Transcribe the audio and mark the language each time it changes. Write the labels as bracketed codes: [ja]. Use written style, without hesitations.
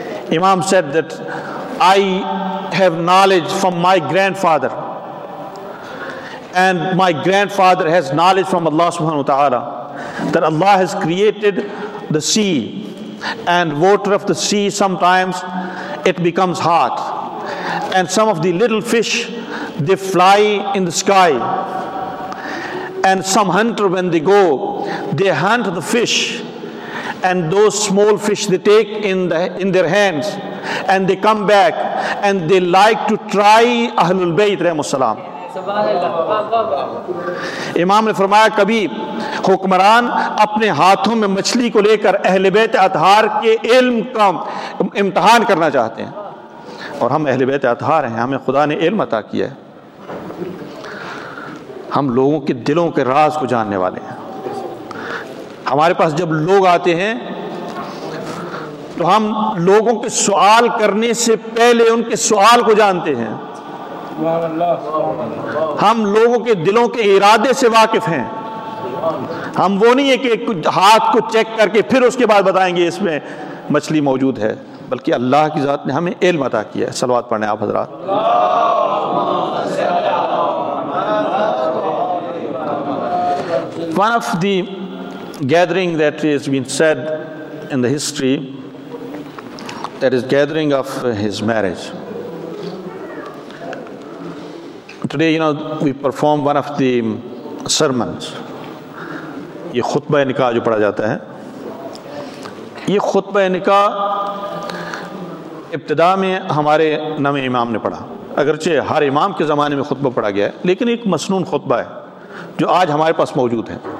[en] Imam said that I have knowledge from my grandfather, and my grandfather has knowledge from Allah subhanahu wa ta'ala, that Allah has created the sea, and water of the sea, sometimes it becomes hot, and some of the little fish, they fly in the sky, and some hunter, when they go, they hunt the fish, and those small fish they take in their hands, and they come back and they like to try Ahlul Bayt rahimahum salam. [ur] امام نے فرمایا کبھی حکمران اپنے ہاتھوں میں مچھلی کو لے کر اہل بیت اطہار کے علم کا امتحان کرنا چاہتے ہیں, اور ہم اہل بیت اطہار ہیں, ہمیں خدا نے علم عطا کیا ہے, ہم لوگوں کے دلوں کے راز کو جاننے والے ہیں. ہمارے پاس جب لوگ آتے ہیں تو ہم لوگوں کے سوال کرنے سے پہلے ان کے سوال کو جانتے ہیں, ہم لوگوں کے دلوں کے ارادے سے واقف ہیں. ہم وہ نہیں ہے کہ ہاتھ کو چیک کر کے پھر اس کے بعد بتائیں گے اس میں مچھلی موجود ہے, بلکہ اللہ کی ذات نے ہمیں علم عطا کیا ہے. صلوات پڑھیں آپ حضرات. [en] One of the gathering that is been said in the history, that is gathering of his marriage. Today, you know, we perform one of the sermons. [ur] یہ خطبہ نکاح جو پڑھا جاتا ہے, یہ خطبہ نکاح ابتدا میں ہمارے نویں امام نے پڑھا, اگرچہ ہر امام کے زمانے میں خطبہ پڑھا گیا ہے, لیکن ایک مسنون خطبہ ہے جو آج ہمارے پاس موجود ہے.